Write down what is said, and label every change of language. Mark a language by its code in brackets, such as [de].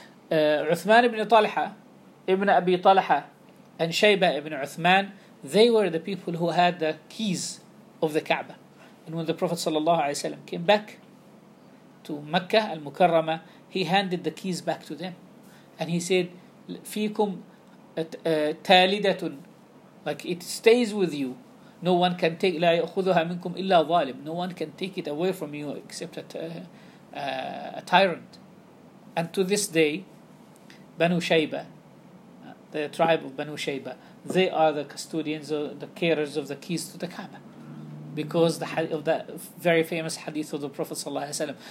[en] Uthman ibn Talha, Ibn Abi Talha, and Shayba ibn Uthman, they were the people who had the keys of the Kaaba. And when the Prophet sallallahu alaihi wasallam came back to Mecca al-Mukarrama, he handed the keys back to them, and he said, [ar] "Fikum talidatun," [en] like it stays with you. No one can take [ar] لا يأخذها منكم إلا ظالم. [en] No one can take it away from you except a tyrant. And to this day, Banu Shayba, the tribe of Banu Shayba, they are the custodians or the carers of the keys to the Kaaba, because of that very famous hadith of the Prophet sallallahu alaihi wasallam.